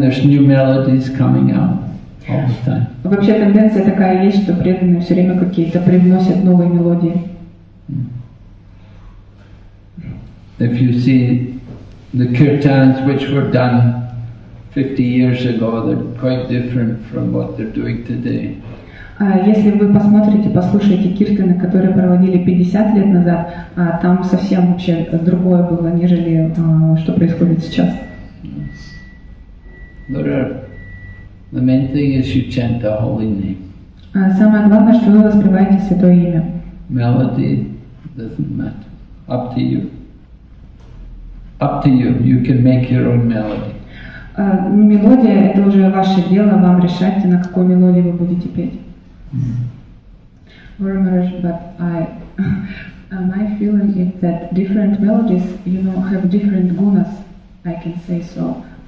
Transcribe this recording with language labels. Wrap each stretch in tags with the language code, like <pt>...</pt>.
<en>There's new melodies coming out all the time.</en> <ru>Вообще тенденция такая есть, что преданные все время какие-то привносят новые мелодии.</ru> <en>If you see the kirtans which were done 50 years ago, they're quite different from what they're doing today.</en> <ru>Если вы посмотрите, послушаете киртаны, которые проводили 50 лет назад, там совсем вообще другое было, нежели что происходит сейчас.</ru> <en>The main thing is you chant the holy name.</en> <ru>Самое главное, что вы воспеваете святое имя.</ru> <en>Melody doesn't matter. Up to you. Up to you. You can make your own melody.</en> <ru>Мелодия – это уже ваше дело, вам решать, на какую мелодию вы будете петь. Mm-hmm.</ru> <en>But I, my feeling is that different melodies, you know, have different gunas, I can say so.</en>